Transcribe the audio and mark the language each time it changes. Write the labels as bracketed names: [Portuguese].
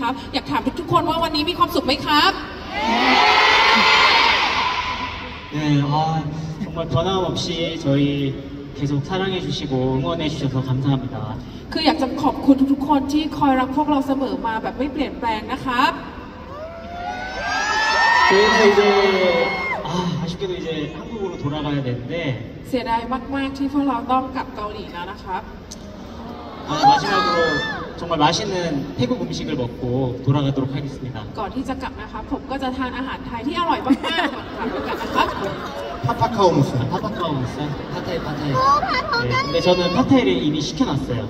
[Thai] วันนี้เป็นวันที่สองของคอนเสิร์ตสำหรับทัวร์ครั้งนี้พวกเราก็ได้มาเจอทุกคนที่นี่นะครับอยากถามทุกคนว่าวันนี้มีความสุขไหมครับ [Korean] 네, 정말 변함없이 저희 계속 사랑해주시고 응원해주셔서 감사합니다. [Thai] 그약좀ขอบคุณทุกๆคนที่คอยรักพวกเราเสมอมาแบบไม่เปลี่ยนแปลงนะครับ [Korean] 저희는 이제 아쉽게도 이제 한국으로 돌아가야 되는데 [Thai] เสียดายมากๆที่พวกเราต้องกลับเกาหลีแล้วนะครับ [Korean] 마지막으로 정말 맛있는 태국 음식을 먹고 돌아가도록 하겠습니다. [Thai] ก่อนที่จะกลับนะครับผมก็จะทานอาหารไทยที่อร่อยมากๆก่อนกลับนะครับ 파타카우무스. 파타카우무스. 파타이 파타이. [Korean] 근데 저는 파타이를 이미 시켜놨어요.